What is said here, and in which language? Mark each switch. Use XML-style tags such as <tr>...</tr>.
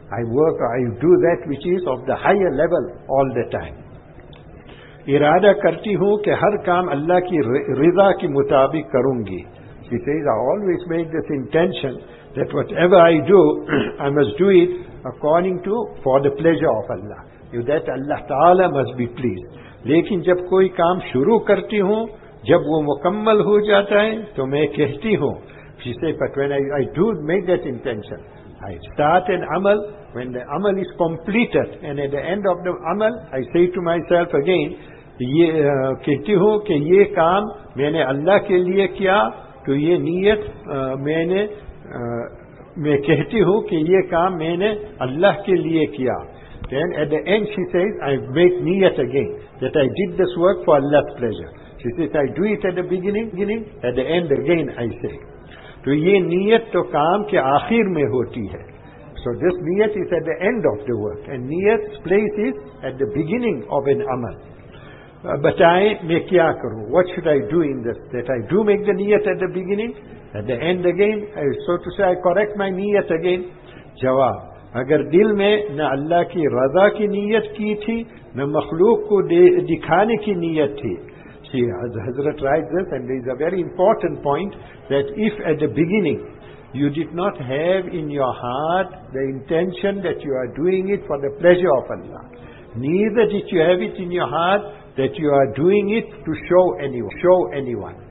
<en>I do that which is of the higher level all the time.</en> <ur>Irada karti hu ke har kaam Allah ki rida ki mutabik karungi.</ur> <en>He says, I always make this intention that whatever I do, I must do it according to, for the pleasure of Allah. If that Allah Ta'ala must be pleased.</en> <ur>Lekin jab koi kaam shuru karti hu, جب وہ مکمل ہو جاتا ہے تو میں کہتی ہوں.</ur> <en>She says, but when I do make that intention, I start an amal, when the amal is completed, and at the end of the amal, I say to myself again,</en> <ur>یہ کہتی ہوں کہ یہ کام میں نے اللہ کے لیے کیا,</ur> <en>تو یہ نیت میں کہتی ہوں کہ یہ کام میں نے اللہ کے لیے کیا. Then at the end she says, I make niyat again, that I did this work for Allah's pleasure. She says, I do it at the beginning, at the end again I say.</en> <ur>تو یہ نیت تو کام کے آخر میں ہوتی ہے.</ur> <en>So this نیت is at the end of the work. And نیت's place is at the beginning of an amal.</en> <ur>بتائیں میں کیا کروں.</ur> <en>What should I do in this? That I do make the نیت at the beginning, at the end again. So to say, I correct my نیت again.</en> <ur>جواب, اگر دل میں نہ اللہ کی رضا کی نیت کی تھی, نہ مخلوق کو دکھانے کی نیت تھی.</ur> <en>See, as Hazrat writes this, and there is a very important point, that if at the beginning you did not have in your heart the intention that you are doing it for the pleasure of Allah, neither did you have it in your heart that you are doing it to show anyone.</en>